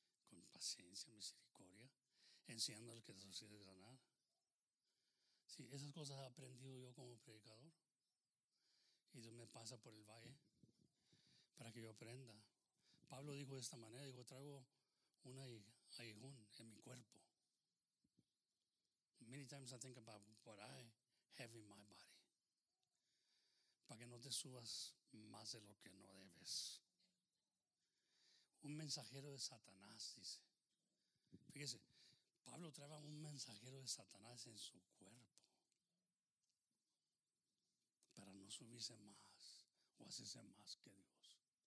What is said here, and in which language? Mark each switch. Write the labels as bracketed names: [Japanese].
[Spanish] Con paciencia, misericordia, enseñándoles que eso sirve de ganar. Sí, esas cosas he aprendido yo como predicador. Y Dios me pasa por el valle para que yo aprenda. Pablo dijo de esta manera, dijo, traigo un aguijón en mi cuerpo. [English] Many times I think about what I have in my body. [Spanish] Para que no te subas más de lo que no debes. Un mensajero de Satanás, dice. Fíjese, Pablo traía un mensajero de Satanás en su cuerpo. Para no subirse más o hacerse más que Dios.